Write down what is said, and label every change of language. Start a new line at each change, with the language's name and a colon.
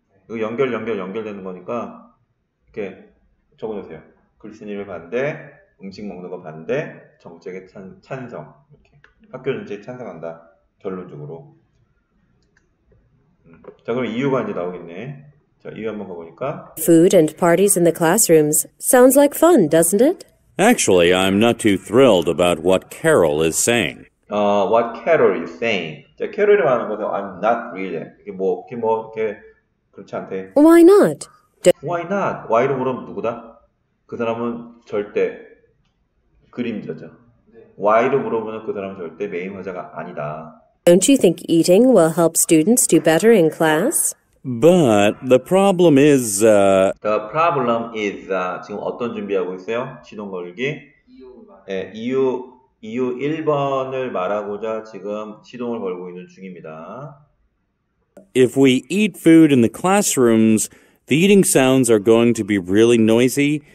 Korean: 이거 연결되는 거니까, 이렇게 적어주세요. 글쓴이를 반대, 음식 먹는 거 반대, 정책에 찬성. 이렇게. 학교 정책에 찬성한다. 결론적으로. 자, 그럼 이유가 이제 나오겠네. 자, 이유 한번 가보니까.
English: Food and parties in the classrooms sounds like fun, doesn't it? Actually, I'm not too thrilled about what Carol is saying. What Carol is saying.
Korean: 자, Carol이 말하는 것은
English: I'm not really.
Korean: 이게 뭐, 이게 뭐, 이게 그렇지 않대.
English: Why not? Why not?
Korean: Why로 물으면 누구다? 그 사람은 절대 그림자죠. 네. Why로 물으면 그 사람은 절대 메인 화자가 아니다.
English: Don't you think eating will help students do better in class? But the problem is The problem is
Korean: 지금 어떤 준비하고 있어요? 시동 걸기. 예, 이유 1번을 말하고자 지금 시동을 걸고 있는 중입니다.
English: If we eat food in the classrooms, the eating sounds are going to be really noisy.